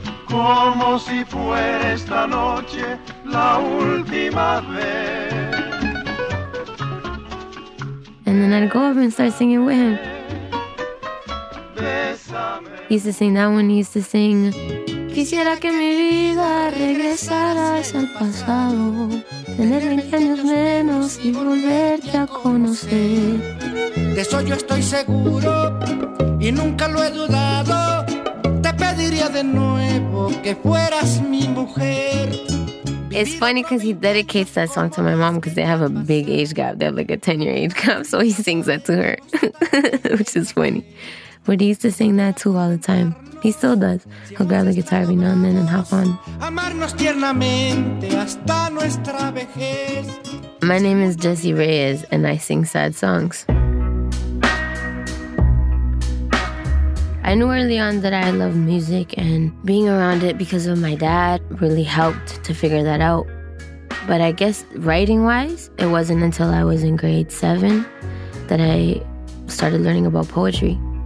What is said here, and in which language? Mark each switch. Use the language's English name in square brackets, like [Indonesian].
[Spanish] Como si fuera esta noche la última vez. [English] And then I'd go up and start singing with him. [Spanish] Bésame. [English] He used to sing [Spanish] that one. He used to sing, quisiera que mi vida regresara al pasado, tener 20 años menos y volverte a conocer. De eso yo estoy seguro y nunca lo he dudado. Te pediría de nuevo que fueras mi mujer. [English] It's funny because he dedicates that song to my mom because they have a big age gap. They have like a 10-year age gap, so he sings that to her, which is funny. But he used to sing that too all the time. He still does. He'll grab the guitar every now and then and hop on. [Spanish] Amarnos tiernamente hasta nuestra vejez. [English] My name is Jessie Reyez and I sing sad songs. I knew early on that I loved music, and being around it because of my dad really helped to figure that out. But I guess writing-wise, it wasn't until I was in grade 7 that I started learning about poetry.